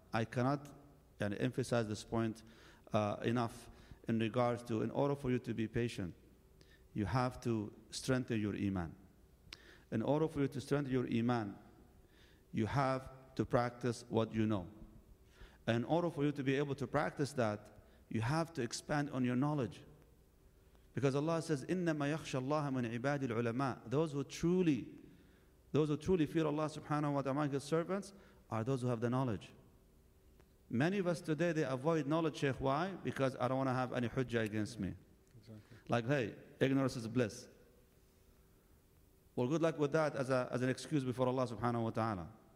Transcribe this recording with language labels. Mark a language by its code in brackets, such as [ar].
[en] I cannot emphasize this point enough in regards to, in order for you to be patient, you have to strengthen your iman. In order for you to strengthen your iman, you have to practice what you know. In order for you to be able to practice that, you have to expand on your knowledge. Because Allah says, [ar] إِنَّمَا يَخْشَ اللَّهَ مِنْ عِبَادِ الْعُلَمَاءِ. [en] Those who truly fear Allah subhanahu wa ta'ala, His servants, are those who have the knowledge. Many of us today, they avoid knowledge, Shaykh. Why? Because I don't want to have any hujjah against me. Exactly. Like, hey, ignorance is bliss. Well, good luck with that as an excuse before Allah subhanahu wa ta'ala.